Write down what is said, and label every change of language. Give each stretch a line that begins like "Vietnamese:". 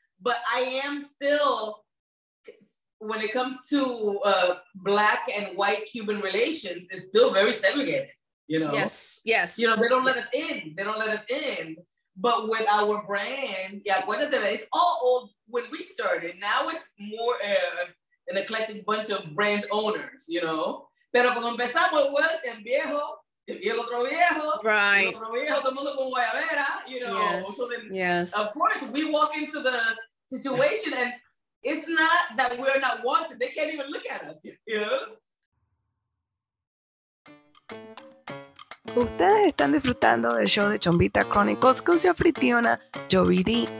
English: But I am still, when it comes to Black and white Cuban relations, it's still very segregated, you know. Yes, yes. You know, they don't let us in. They don't let us in. But with our brand, yeah, it's all old when we started. Now it's more an eclectic bunch of brand owners, you know.
Spanish: Pero cuando empezamos, well, el viejo, y el otro viejo,
English: right.
Spanish: El otro viejo, todo mundo con guayabera,
English: you know. Yes. So then, yes. Of course, we walk into the situation, and it's not that we're not wanted. They can't even look at us, you know.
Spanish: Ustedes están disfrutando del show de Chombita Chronicles con su anfitriona Jovidi.